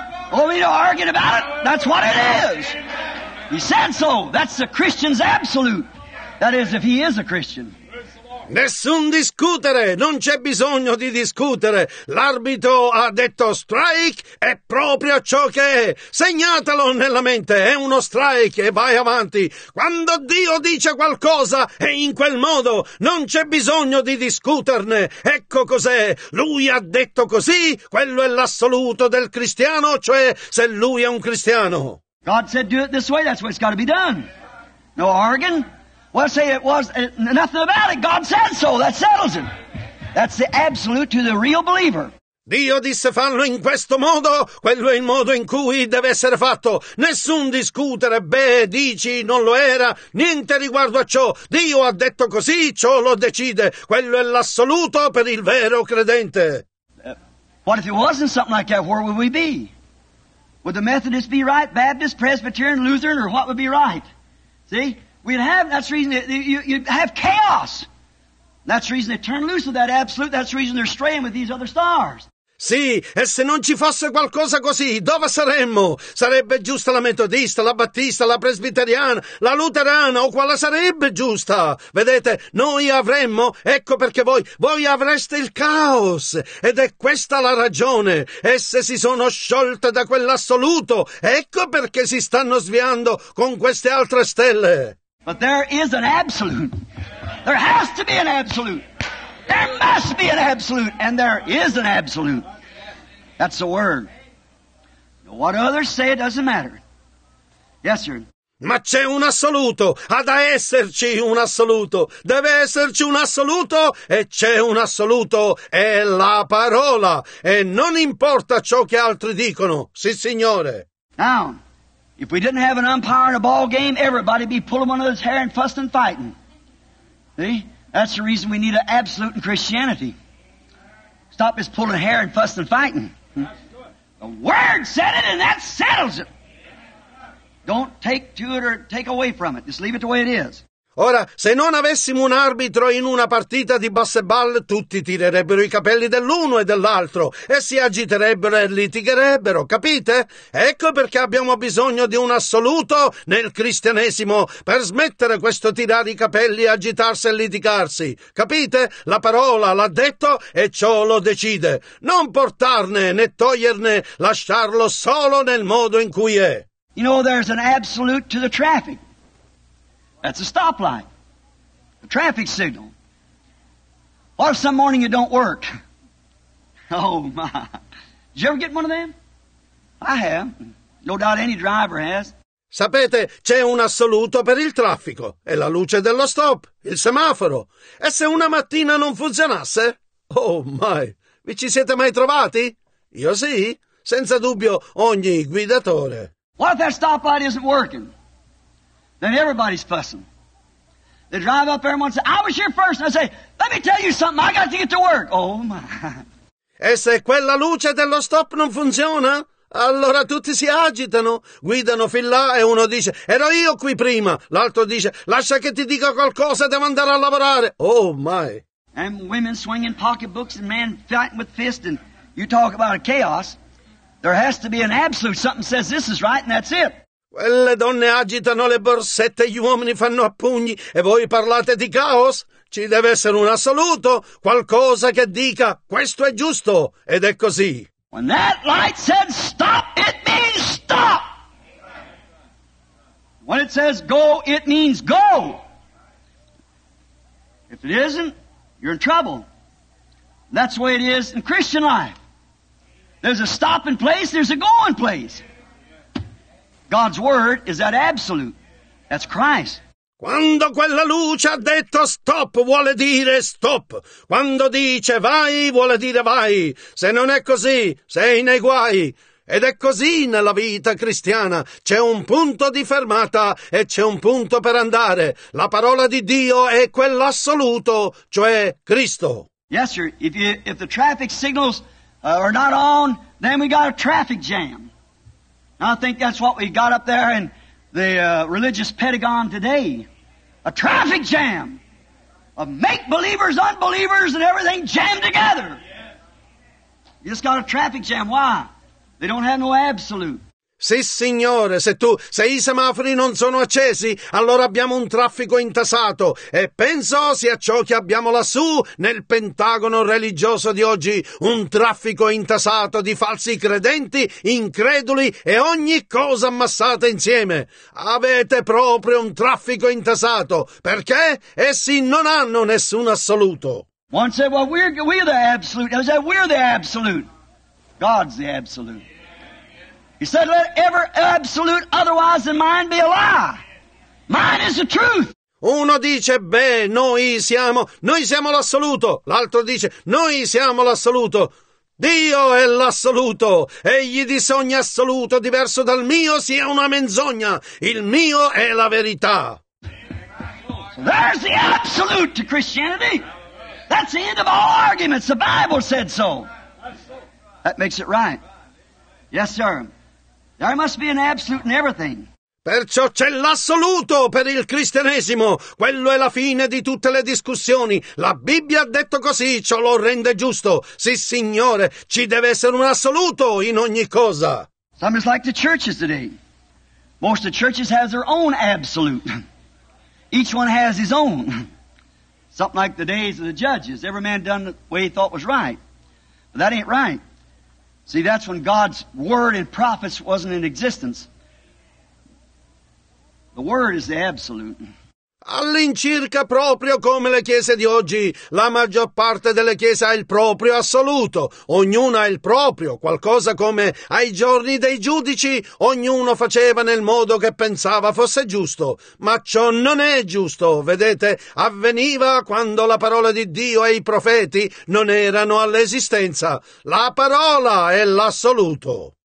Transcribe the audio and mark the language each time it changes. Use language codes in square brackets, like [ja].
[en] Don't need to argue about it. That's what it is. He said so. That's the Christian's absolute. That is, if he is a Christian. [it] Nessun discutere, non c'è bisogno di discutere. L'arbitro ha detto strike, è proprio ciò che è. Segnatelo nella mente, è uno strike e vai avanti. Quando Dio dice qualcosa, è in quel modo, non c'è bisogno di discuterne. Ecco cos'è, lui ha detto così, quello è l'assoluto del cristiano, cioè se lui è un cristiano. [en] God said do it this way, that's what it's got to be done. No arguing. Well, say it was nothing about it. God said so. That settles it. That's the absolute to the real believer. [it] Dio disse fallo in questo modo. Quello è il modo in cui deve essere fatto. Nessun discutere. Beh, dici, non lo era. Niente riguardo a ciò. Dio ha detto così, ciò lo decide. Quello è l'assoluto per il vero credente. [en] What if it wasn't something like that? Where would we be? Would the Methodist be right? Baptist, Presbyterian, Lutheran, or what would be right? See? We'd have, that's the reason you'd have chaos. That's the reason they turn loose of that absolute. That's the reason they're straying with these other stars. [it] Sì, e se non ci fosse qualcosa così, dove saremmo? Sarebbe giusta la metodista, la battista, la presbiteriana, la luterana, o quale sarebbe giusta? Vedete, noi avremmo, ecco perché voi avreste il caos. Ed è questa la ragione. Esse si sono sciolte da quell'assoluto. Ecco perché si stanno sviando con queste altre stelle. [en] But there is an absolute. There has to be an absolute. There must be an absolute, and there is an absolute. That's the word. What others say, it doesn't matter. Yes, sir. [it] Ma c'è un assoluto. Ha da esserci un assoluto. Deve esserci un assoluto, e c'è un assoluto. È la parola. E non importa ciò che altri dicono. Sì, signore. [en] Now, if we didn't have an umpire in a ball game, everybody be pulling one of his hair and fussing and fighting. See? That's the reason we need an absolute in Christianity. Stop just pulling hair and fussing and fighting. The Word said it and that settles it. Don't take to it or take away from it. Just leave it the way it is. [it] Ora, se non avessimo un arbitro in una partita di basketball, tutti tirerebbero i capelli dell'uno e dell'altro e si agiterebbero e litigherebbero, capite? Ecco perché abbiamo bisogno di un assoluto nel cristianesimo per smettere questo tirare i capelli, agitarsi e litigarsi, capite? La parola l'ha detto e ciò lo decide. Non portarne né toglierne, lasciarlo solo nel modo in cui è. [en] You know, there's an absolute to the traffic. That's a stoplight, a traffic signal. What if some morning it don't work? Oh, my. Did you ever get one of them? I have. No doubt any driver has. [it] Sapete, c'è un assoluto per il traffico. È la luce dello stop, il semaforo. E se una mattina non funzionasse? [en] Oh, my. [it] Vi ci siete mai trovati? Io sì. Senza dubbio, ogni guidatore. [en] What if that stoplight isn't working? Then everybody's fussing. They drive up there and one says, I was here first. And I say, let me tell you something. I got to get to work. Oh, my. [it] E se quella luce dello stop non funziona? Allora tutti si agitano, guidano fin là e uno dice, ero io qui prima. L'altro dice, lascia che ti dica qualcosa, devo andare a lavorare. [en] Oh, my. And women swinging pocketbooks and men fighting with fists. And you talk about a chaos. There has to be an absolute. Something says this is right and that's it. [it] Quelle donne agitano le borsette, gli uomini fanno a pugni e voi parlate di caos? Ci deve essere un assoluto, qualcosa che dica questo è giusto ed è così. [en] When that light says stop, it means stop. When it says go, it means go. If it isn't, you're in trouble. That's the way it is in Christian life. There's a stopping place, there's a going place. God's word is that absolute. That's Christ. [it] Quando quella luce ha detto stop, vuole dire stop. Quando dice vai, vuole dire vai. Se non è così, sei nei guai. Ed è così nella vita cristiana. C'è un punto di fermata e c'è un punto per andare. La parola di Dio è quell'assoluto, cioè Cristo. [en] Yes, sir. If the traffic signals are not on, then we got a traffic jam. I think that's what we got up there in the religious Pentagon today. A traffic jam. of make-believers, unbelievers, and everything jammed together. You just got a traffic jam. Why? They don't have no absolute. [it] Sì, signore, se i semafori non sono accesi, allora abbiamo un traffico intasato. E penso sia ciò che abbiamo lassù nel pentagono religioso di oggi, un traffico intasato di falsi credenti, increduli e ogni cosa ammassata insieme. Avete proprio un traffico intasato, perché essi non hanno nessun assoluto. [en] One said, well, we're the absolute. I said, we're the absolute. God's the absolute. He said, let every absolute otherwise than mine be a lie. Mine is the truth. [it] Uno dice, beh, noi siamo l'assoluto. L'altro dice, noi siamo l'assoluto. Dio è l'assoluto. Egli disse ogni assoluto diverso dal mio sia una menzogna. Il mio è la verità. [en] So there's the absolute to Christianity. That's the end of all arguments. The Bible said so. That makes it right. Yes, sir. There must be an absolute in everything. [it] Perciò c'è l'assoluto per il cristianesimo. Quello è la fine di tutte le discussioni. La Bibbia ha detto così, ciò lo rende giusto. Sì, signore, ci deve essere un assoluto in ogni cosa. [en] Some is like the churches today. Most of the churches have their own absolute. Each one has his own. Something like the days of the judges. Every man done the way he thought was right. But that ain't right. See, that's when God's word and prophets wasn't in existence. The word is the absolute. [it] All'incirca proprio come le chiese di oggi, la maggior parte delle chiese ha il proprio assoluto, ognuna ha il proprio, qualcosa come ai giorni dei giudici, ognuno faceva nel modo che pensava fosse giusto, ma ciò non è giusto, vedete, avveniva quando la parola di Dio e i profeti non erano all'esistenza, la parola è l'assoluto.